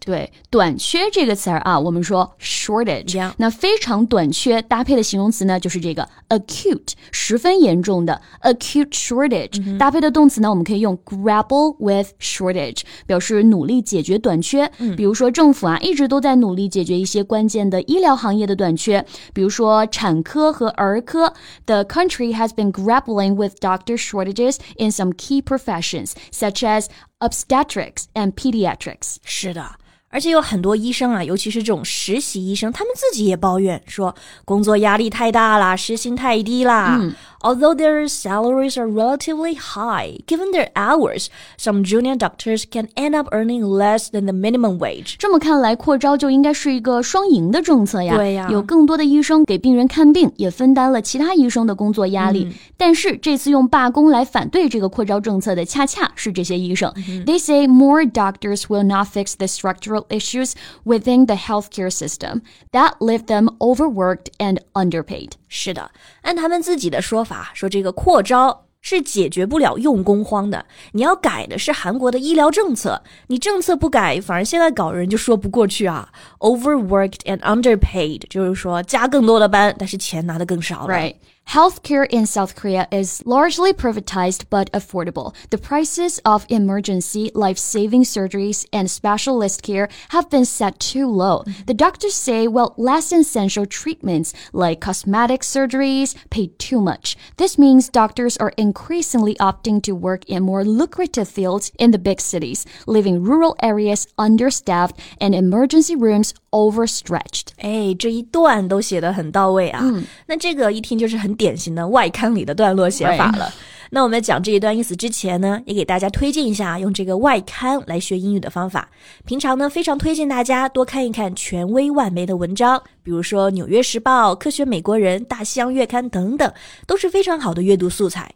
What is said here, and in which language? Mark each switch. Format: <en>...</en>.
<zh>对，短缺这个词啊，我们说 shortage。</zh> <en>Yeah.</en> <zh>那非常短缺搭配的形容词呢就是这个。 Acute, 十分严重的 acute shortage,搭配的动词呢我们可以用</zh> <en>grapple with shortage,</en> <zh>表示努力解决短缺。比如说政府啊一直都在努力解决一些关键的医疗行业的短缺，比如说产科和儿科。</zh> <en>The country has been grappling with doctor shortages in some key professions, such as obstetrics and pediatrics.</en> <zh>是的。而且有很多医生啊，尤其是这种实习医生，他们自己也抱怨说工作压力太大了，时薪太低了。</zh> <en>Although their salaries are relatively high, given their hours, some junior doctors can end up earning less than the minimum wage.</en> <zh>这么看来，扩招就应该是一个双赢的政策呀。对呀，有更多的医生给病人看病，也分担了其他医生的工作压力。但是这次用罢工来反对这个扩招政策的，恰恰是这些医生。</zh> <en>They say more doctors will not fix the structural issues within the healthcare system that leave them overworked and underpaid.</en> <zh>是的，按他们自己的说。说这个扩招是解决不了用工荒的，你要改的是韩国的医疗政策，你政策不改反而现在搞人就说不过去啊。</zh> <en>Overworked and underpaid</en> <zh>就是说加更多的班，但是钱拿得更少了。</zh> <en>Right. Healthcare in South Korea is largely privatized but affordable. The prices of emergency life-saving surgeries and specialist care have been set too low. The doctors say, well, less essential treatments like cosmetic surgeries pay too much. This means doctors are increasingly opting to work in more lucrative fields in the big cities, leaving rural areas understaffed and emergency rooms overstretched.</en> <zh>哎，这一段都写得很到位啊。那这个一听就是很典型的外刊里的段落写法了。那我们讲这一段意思之前呢，也给大家推荐一下用这个外刊来学英语的方法。平常呢，非常推荐大家多看一看权威外媒的文章，比如说《纽约时报》、《科学美国人》、《大西洋月刊》等等，都是非常好的阅读素材。</zh>